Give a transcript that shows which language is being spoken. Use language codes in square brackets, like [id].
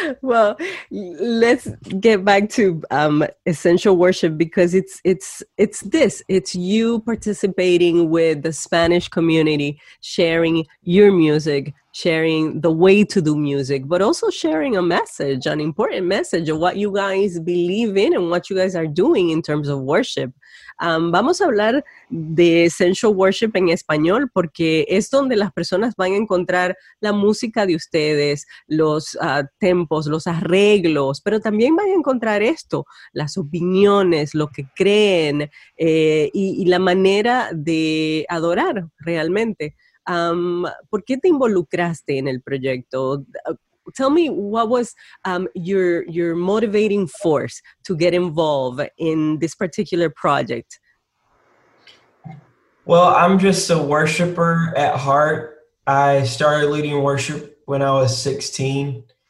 [en] Well, let's get back to essential worship, because it's this. It's you participating with the Spanish community, sharing your music, sharing the way to do music, but also sharing a message, an important message of what you guys believe in and what you guys are doing in terms of worship. [es] Vamos a hablar de Essential Worship en español porque es donde las personas van a encontrar la música de ustedes, los tempos, los arreglos, pero también van a encontrar esto, las opiniones, lo que creen y la manera de adorar realmente. ¿Por qué te involucraste en el proyecto? [en] Tell me, what was your motivating force to get involved in this particular project? Well, I'm just a worshiper at heart. I started leading worship when I was 16.